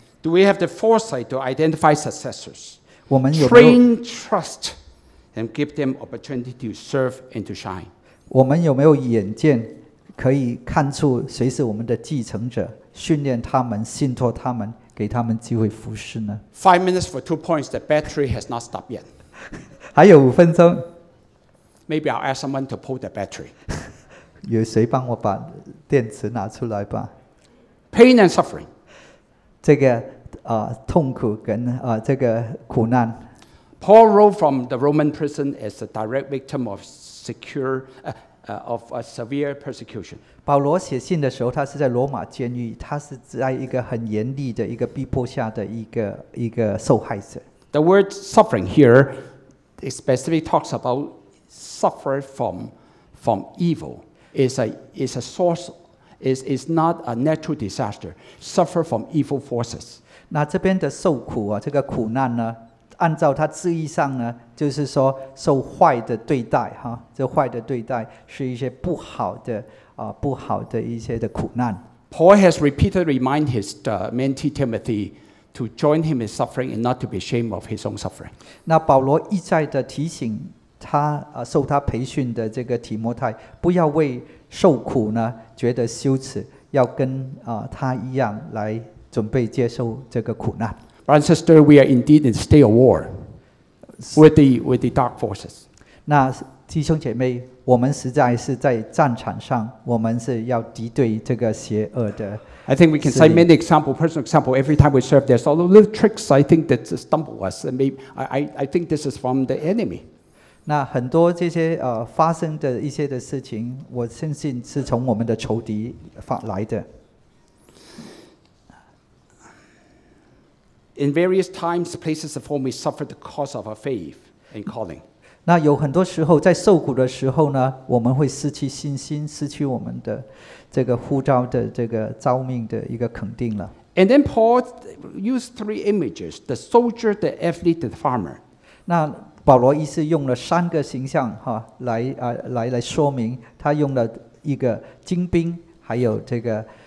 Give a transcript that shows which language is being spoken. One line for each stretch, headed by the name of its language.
English: ？Do we have the foresight to identify successors?
Chinese: 我们有
English: train, trust, and give them opportunity to serve and to shine.
Chinese: 我们有没有眼见？可以看出谁是我们的继承者，训练他们，信托他们，给他们机会服事呢
English: ？Five minutes for two points. The battery has not stopped yet.
Chinese: 还有五分钟。
English: Maybe I'll ask someone to pull the battery.
Chinese: 有谁帮我把电池拿出来吧
English: ？Pain and suffering.
Chinese: 这个痛苦跟这个苦难。
English: Paul wrote from the Roman prison as a direct victim of severe persecution.
Chinese: 保罗写信的时候，他是在罗马监狱，他是在一个很严厉的一个逼迫下的一个受害者。
English: The word suffering here specifically talks about suffer from evil. It's a source. It's not a natural disaster. Suffer from evil forces.
Chinese: 那这边的受苦啊，这个苦难呢？按照他字义上呢，就是说受坏的对待哈，这坏的对待是一些不好的不好的一些的苦难。
English: Paul has repeatedly reminded his mentee Timothy to join him in suffering and not to be ashamed of his own suffering.
Chinese: 那保罗一再的提醒他受他培训的这个提摩太，不要为受苦呢觉得羞耻，要跟他一样来准备接受这个苦难。
English: Brothers and sisters, we are indeed in a state of war with the dark forces.
Chinese: 那弟兄姐妹，我们实在是在战场上，我们是要敌对这个邪恶的。
English: I think we can cite many example, personal example. Every time we serve, there's all little tricks. I think that stumble us. I think this is from the enemy.
Chinese: 那很多这些发生的一些的事情，我相信是从我们的仇敌发来的。
English: In various times, places of home, we suffer the cost of our faith and calling.
Chinese: 那有很多时候，在受苦的时候呢，我们会失去信心，失去我们的这个呼召的这个召命的一个肯定了。
English: And then Paul used three images: the soldier, the athlete, the farmer.
Chinese: 那保罗一次用了三个形象哈，来说明他用了一个精兵，还有这个。